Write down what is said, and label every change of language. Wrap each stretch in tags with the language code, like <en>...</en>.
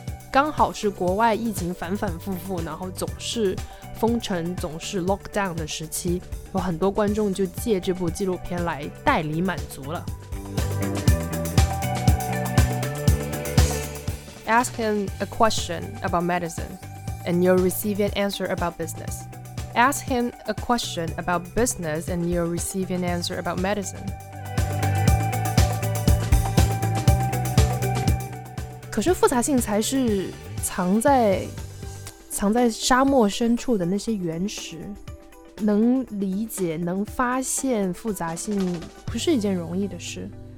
<zh>刚好是国外疫情反反复复，然后总是封城，总是 lockdown 的时期，有很多观众就借这部纪录片来代理满足了。</zh> <en>Ask him a question about medicine and you'll receive an answer about business. Ask him a question about business and you'll receive an answer about medicine.</en> <zh>可是复杂性才是藏在沙漠深处的那些原石，能理解能发现复杂性不是一件容易的事。</zh>